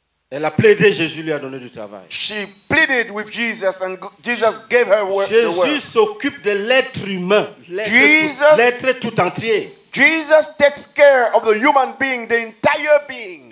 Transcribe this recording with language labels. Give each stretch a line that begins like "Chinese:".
French: Elle a plaidé, Jésus lui a donné du travail.
English: She pleaded with Jesus and Jesus gave her work.
French: Jésus s'occupe de l'être humain, l'être tout entier.
English: Jesus takes care of the human being, the entire being.